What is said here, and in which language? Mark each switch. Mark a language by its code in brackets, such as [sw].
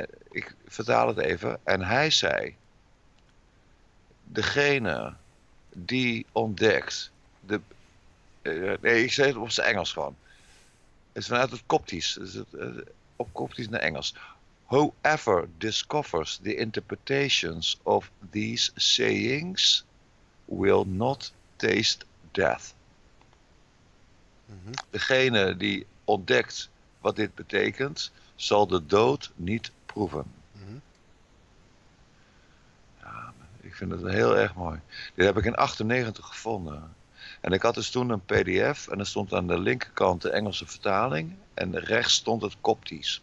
[nl] Ik vertaal het even. En hij zei. Degene die ontdekt. Ik zeg het op zijn Engels gewoon. Het is vanuit het Koptisch. Op Koptisch naar Engels. [en] Whoever discovers the interpretations of these sayings will not taste death. Mm-hmm. [nl] Degene die ontdekt wat dit betekent, zal de dood niet proeven. Mm-hmm. Ja, ik vind het heel erg mooi. Dit heb ik in 98 gevonden. En ik had dus toen een pdf en er stond aan de linkerkant de Engelse vertaling en rechts stond het Koptisch.